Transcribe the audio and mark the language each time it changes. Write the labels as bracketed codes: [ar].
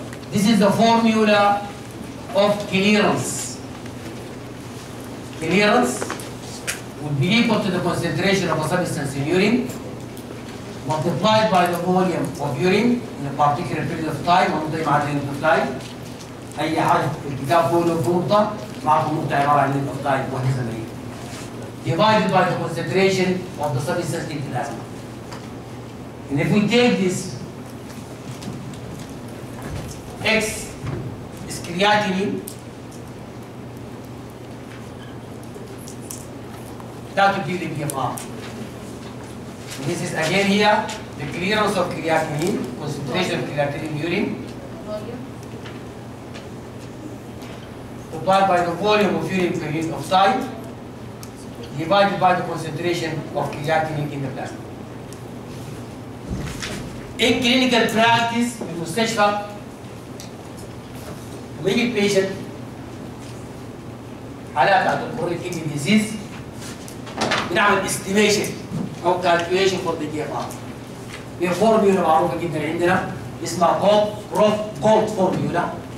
[en] This is the formula of clearance. Clearance would be equal to the concentration of a substance in urine multiplied by the volume of urine in a particular period of time, one day by length of time. [ar] أي حاجة الكتاب بقوله في نقطة معكم نقطة عبارة عن [en] length of time [ar] واحدة زمنية. [en] Divided by the concentration of the substance in plasma. And if we take this X is creatinine, that would give the BFR. This is again here, the clearance of creatinine, concentration of creatinine in urine. Volume. Divided by the volume of urine per unit of time, divided by the concentration of creatinine in the plasma. In clinical practice, in mustashfa, many patients [ar] حالات عند [en] chronic kidney disease [ar] نعمل [en] estimation أو calculation for the GFR. [ar] في formula معروفة جدا عندنا اسمها Colt formula.